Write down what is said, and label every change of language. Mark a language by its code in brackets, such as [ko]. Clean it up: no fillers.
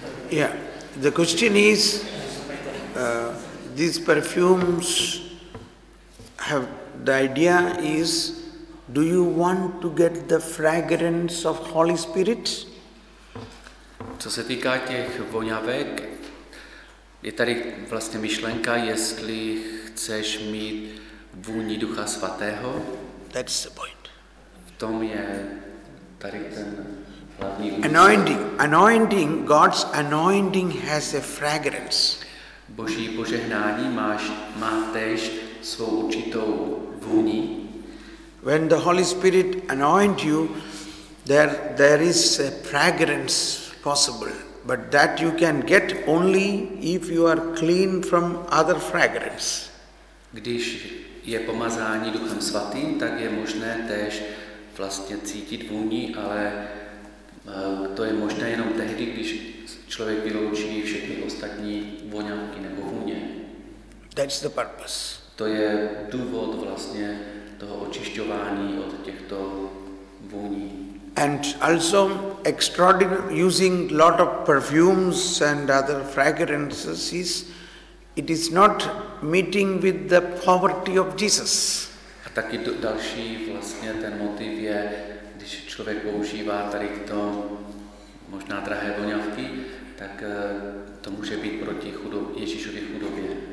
[en] Yeah, the question is, these perfumes have, the idea is, do you want to get the fragrance of Holy Spirit? [cs] Co se týká těch voňavek, je tady vlastně myšlenka, jestli chceš mít vůni Ducha Svatého. [en] That's the point. [cs] V tom je tady ten hlavní úmysl. [en] Anointing. Anointing, God's anointing has a fragrance. [cs] Boží požehnání má též svou určitou vůni. [en] When the Holy Spirit anoint you, there is a fragrance possible, but that you can get only if you are clean from other fragrance. [cs] Když je pomazání Duchem Svatým, tak je možné též vlastně cítit vůni, ale to je možné jenom tehdy, když člověk vyloučí všechny ostatní voňavky nebo vůně. [en] That's the purpose. [cs] To je důvod vlastně toho očišťování od těchto vůní. [en] And also extraordinary using lot of perfumes and other fragrances is it is not meeting with the poverty of Jesus. [cs] A taky další vlastně ten motiv je, když člověk používá tady to možná drahé voňavky, tak to může být proti Ježíšově chudobě.